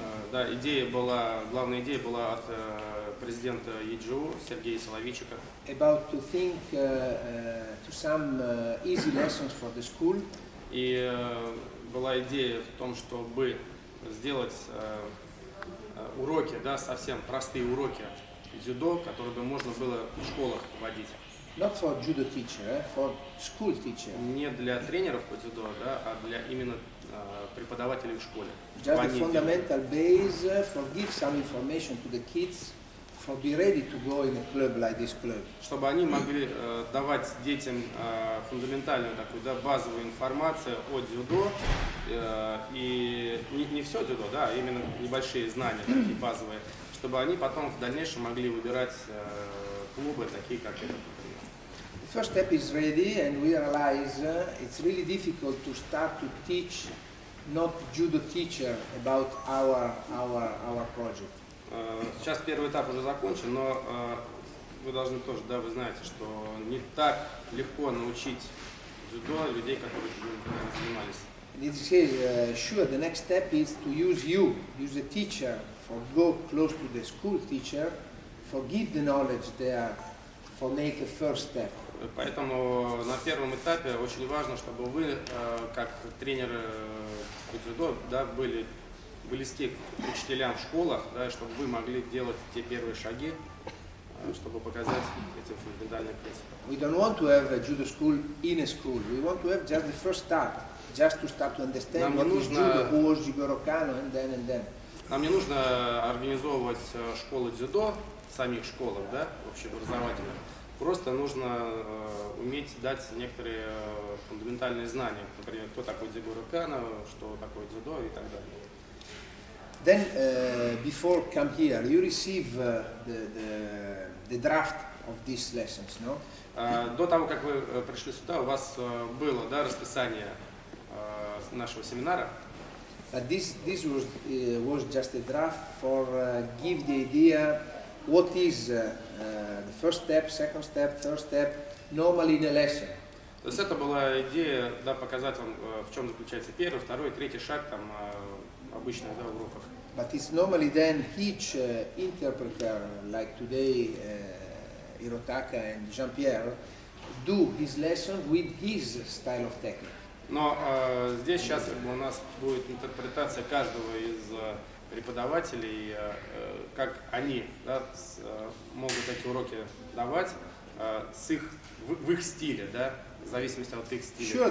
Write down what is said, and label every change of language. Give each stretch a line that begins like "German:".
Russian: Да, идея была, главная идея была от президента ЕГЭУ Сергея Соловейчика.
English: About to think to some easy lessons for the school.
Russian: И была идея в том, чтобы сделать уроки, да, совсем простые уроки дзюдо, которые бы можно было в школах вводить.
English: Not for judo teacher, for school teacher.
Russian: Не для тренеров по дзюдо, да, а для именно преподавателей в школе.
English: Just the fundamental base for give some information to the kids for be ready to go in a club like this club.
Russian: Чтобы они могли давать детям фундаментальную такую, да, базовую информацию о дзюдо и не все дзюдо, да, а именно небольшие знания такие базовые, чтобы они потом в дальнейшем могли выбирать клубы такие, как этот.
English: First step is ready, and we realize it's really difficult to start to teach not judo teacher about our project.
Russian: Сейчас первый этап уже закончен, но вы должны тоже, да, вы знаете, что не так легко научить дзюдо людей, которые дзюдо занимались.
English: It is sure the next step is to use the teacher for go close to the school teacher, for give the knowledge there, for make a first step.
Russian: Поэтому на первом этапе очень важно, чтобы вы, как тренеры по дзюдо, да, были близки к учителям в школах, да, чтобы вы могли делать те первые шаги, чтобы показать эти фундаментальные принципы.
English: We don't want to have a judo school in a school. We want to have just the first start, just to start to understand what is judo, who is Jigoro Kano, and then.
Russian: Нам не нужно организовывать школы дзюдо в самих школах, да, общеобразовательных. Просто нужно уметь дать некоторые фундаментальные знания, например, кто такой Дзигоро Кано, что такое дзюдо и так далее.
English: Then before come here, you receive the draft of these lessons, no?
Russian: До того, как вы пришли сюда, у вас было, да, расписание нашего семинара.
English: This was just a draft for give the idea. What is the first step, second step, third step, normally in a lesson?
Russian: То есть это была идея, да, показать вам, в чем заключается первый, второй, третий шаг там обычно, да, в уроках.
English: But it's normally then each interpreter, like today Hirotaka and Jean-Pierre, do his lesson with his style of technique.
Russian: Но здесь сейчас у нас будет интерпретация каждого из преподавателей, как они, да, могут эти уроки давать с их, в их стиле, да, в зависимости от их стиля.